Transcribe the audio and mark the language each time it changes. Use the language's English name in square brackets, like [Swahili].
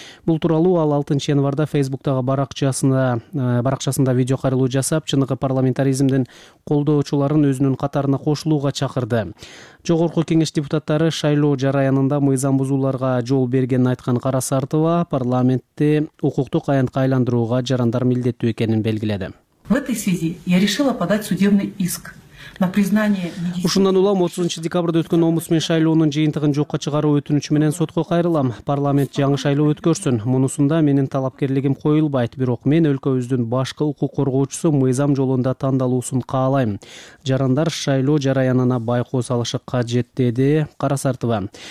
[Kyrgyz] Бул тууралуу ал 6 январда Facebook-тагы баракчасында видео кайрылуу жасап, чыныгы парламентаризмдин колдоочуларын өзүнүн катарына кошулууга чакырды. Жогорку кеңеш депутаттары шайлоо жараянында мыйзам бузууларга жол бергенин айткан Карасартова парламентти укуктук аянтка айландырууга жарандар милдеттүү экенин белгиледи. [Russian] В этой связи я решила подать судебный иск. [Kyrgyz] Ушундан улам 30 декабрда өткөн омбудсмен шайлоонун жыйынтыгын жокко чыгаруу өтүнүчү менен сотко кайрылам. Парламент жаңы шайлоо өткөрсүн. Мунусунда менин талапкерлигим коюлбайт, бирок мен өлкөбүздүн башкы укук коргоочусу мыйзам жолунда тандалуусун каалайм. Жарандар шайлоо жараянына байкоо салышы кажет, деди Карасартова.